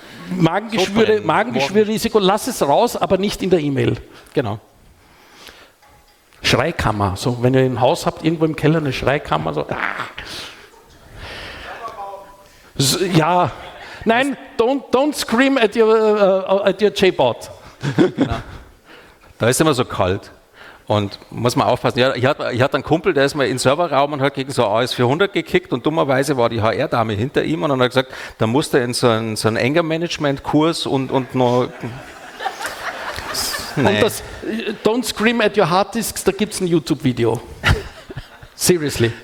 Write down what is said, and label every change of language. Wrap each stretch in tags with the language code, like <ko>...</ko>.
<de>Magengeschwürrisiko, lass es raus, aber nicht in der E-Mail. Genau. Schreikammer, so wenn ihr ein Haus habt, irgendwo im Keller eine Schreikammer, so. Ja, nein,</de> <en>don't scream at your J-Bot.</en> <de>Genau. Da ist immer so kalt. Und muss man aufpassen. Ja, ich hatte einen Kumpel, der ist mal in den Serverraum und hat gegen so AS400 gekickt und dummerweise war die HR-Dame hinter ihm und dann hat er gesagt, da muss er in so einen Anger-Management-Kurs und noch. Nee. Und das Don't Scream at Your Hard Disks, da gibt es ein YouTube-Video. Seriously.</de>